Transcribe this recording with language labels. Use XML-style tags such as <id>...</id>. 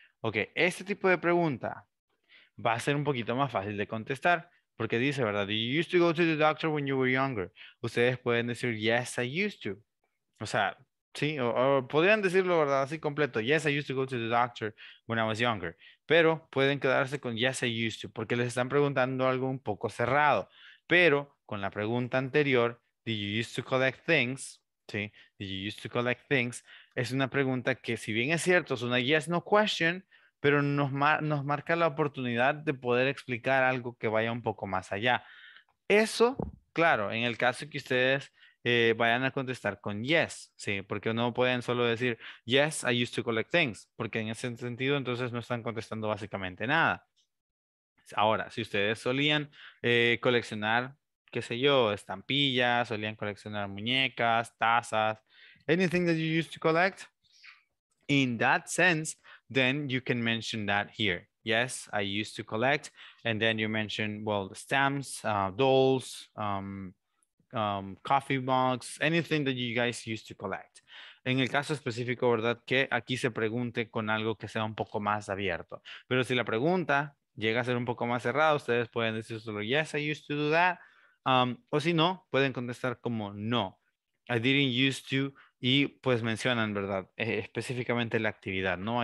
<es>Ok, este tipo de pregunta va a ser un poquito más fácil de contestar. Porque dice, ¿verdad?</es> <en>Did you used to go to the doctor when you were younger?</en> <es>Ustedes pueden decir,</es> <en>yes, I used to.</en> <es>O sea, sí, o podrían decirlo, ¿verdad? Así completo.</es> <en>Yes, I used to go to the doctor when I was younger.</en> <es>Pero pueden quedarse con</es> <en>yes, I used to.</en> <es>Porque les están preguntando algo un poco cerrado. Pero con la pregunta anterior,</es> <en>did you used to collect things?</en> <es>Sí,</es> <en>did you used to collect things?</en> <es>Es una pregunta que, si bien es cierto, es una yes, no question, pero nos marca la oportunidad de poder explicar algo que vaya un poco más allá. Eso, claro, en el caso que ustedes vayan a contestar con yes, ¿sí? Porque no pueden solo decir,</es> <en>yes, I used to collect things,</en> <es>porque en ese sentido entonces no están contestando básicamente nada. Ahora, si ustedes solían coleccionar, qué sé yo, estampillas, solían coleccionar muñecas, tazas,</es> <en>anything that you used to collect, in that sense, then you can mention that here. Yes, I used to collect. And then you mention, well, the stamps, dolls, coffee mugs, anything that you guys used to collect.</en> <es>En el caso específico, ¿verdad? Que aquí se pregunte con algo que sea un poco más abierto. Pero si la pregunta llega a ser un poco más cerrada, ustedes pueden decir solo,</es> <en>yes, I used to do that.</en> <es>O si no, pueden contestar como,</es> <en>no, I didn't used to.</en> <es>Y pues mencionan, ¿verdad?, específicamente la actividad, ¿no?</es>